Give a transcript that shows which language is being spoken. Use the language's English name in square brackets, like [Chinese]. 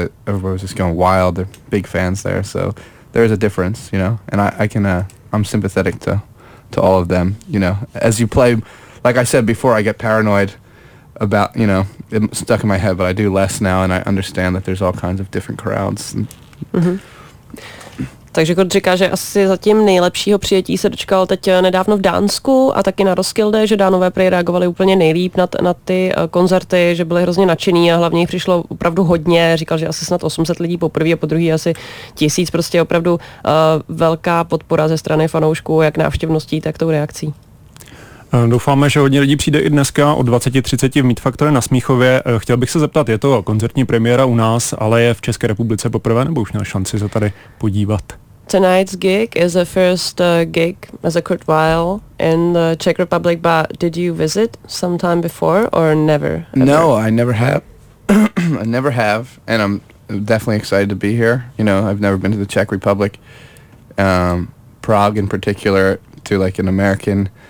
[English] That everybody was just going wild. They're big fans there, so there is a difference, you know, and I'm sympathetic to all of them, you know. As you play, like I said before, I get paranoid about, you know, it stuck in my head, but I do less now, and I understand that there's all kinds of different crowds. And [Czech] Takže Kurt říká, že asi zatím nejlepšího přijetí se dočkal teď nedávno v Dánsku a taky na Roskilde, že Dánové prej reagovali úplně nejlíp na ty koncerty, že byli hrozně nadšený a hlavně jich přišlo opravdu hodně. Říkal, že asi snad 800 lidí poprvé a po druhý asi 1000. Prostě opravdu velká podpora ze strany fanoušků, jak návštěvností, tak tou reakcí. Doufáme, že hodně lidí přijde i dneska o 20:30 v Meet Factory na Smíchově. Chtěl bych se zeptat, je to koncertní premiéra u nás, ale je v České republice poprvé, nebo už měl šanci se tady podívat? [English] Tonight's gig is the first gig as a Kurt Weill in the Czech Republic, but did you visit sometime before or never? Ever? No, I never have. I never have, and I'm definitely excited to be here. You know, I've never been to the Czech Republic, Prague in particular, to like an American.